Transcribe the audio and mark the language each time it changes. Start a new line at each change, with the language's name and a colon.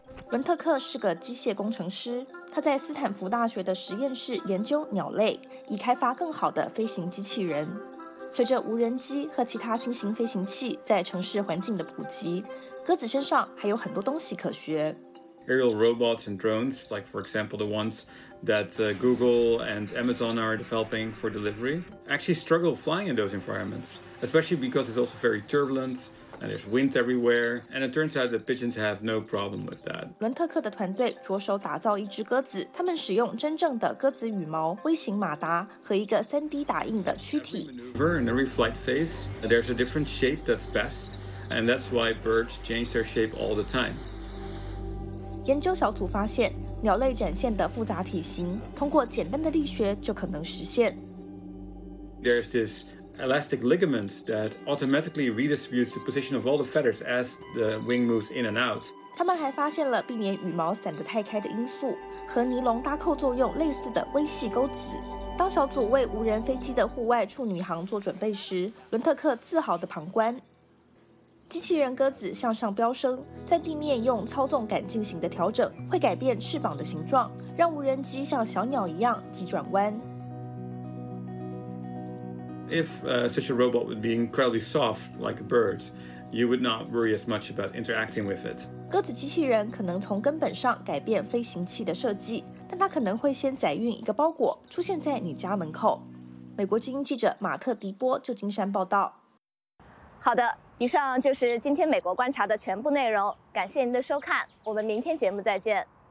Chinese: 伦特克是个机械工程师。他在斯坦福大学的实验室研究鸟类，以开发更好的飞行机器人。随着无人机和其他新型飞行器在城市环境的普及，鸽子身上还有很多东西可学。
English: Aerial robots and drones, like for example the ones that Google and Amazon are developing for delivery, actually struggle flying in those environments, especially because it's also very turbulent. And there's wind everywhere, and it turns out that pigeons have no problem with that.
Chinese: 伦特克的团队着手打造一只鸽子，他们使用真正的鸽子羽毛、微型马达和一个 3D 打印的躯体。
English: In every flight phase, there's a different shape that's best, and that's why birds change their shape all the time.
Chinese: 研究小组发现，鸟类展现的复杂体型，通过简单的力学就可能实现。
English: There's this. Elastic ligament that automatically redistributes the position of all the feathers as the wing moves in and out.
Chinese: 他们还发现了避免羽毛散得太开的因素，和尼龙搭扣作用类似的微细钩子。当小组为无人飞机的户外处女航做准备时，伦特克自豪地旁观。机器人鸽子向上飙升，在地面用操纵杆进行的调整，会改变翅膀的形状，让无人机像小鸟一样急转弯。
English: If such a robot would be incredibly soft like a bird, you would not worry as much about interacting with it.
Chinese: 鸽子机器人可能从根本上改变飞行器的设计，但它可能会先载运一个包裹出现在你家门口。美国之音记者马特·迪波，旧金山报道。好的，以上就是今天美国观察的全部内容，感谢您的收看，我们明天节目再见。